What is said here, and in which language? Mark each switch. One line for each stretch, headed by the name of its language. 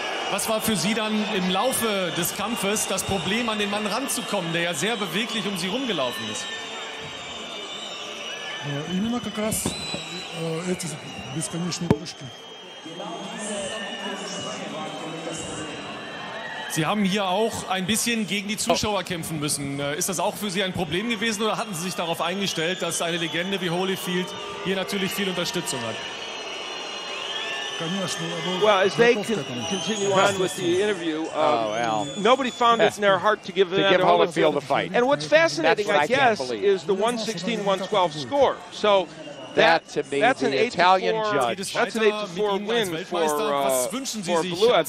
German: Was war für Sie dann im Laufe des Kampfes das Problem, an den Mann ranzukommen, der ja sehr beweglich um Sie rumgelaufen ist?
Russian: Именно как раз эти бесконечные прыжки.
German: Sie haben hier auch ein bisschen gegen die Zuschauer kämpfen müssen. Ist das auch für Sie ein Problem gewesen oder hatten Sie sich darauf eingestellt, dass eine Legende wie Holyfield hier natürlich viel Unterstützung hat?
English: Well, as they continue on with the interview, nobody found it in their heart to give Evander Holyfield a fight. And what's fascinating, what I guess, is the 116-112 score. So that's an 8-4 judge. That's an 8-4 win for Valuev.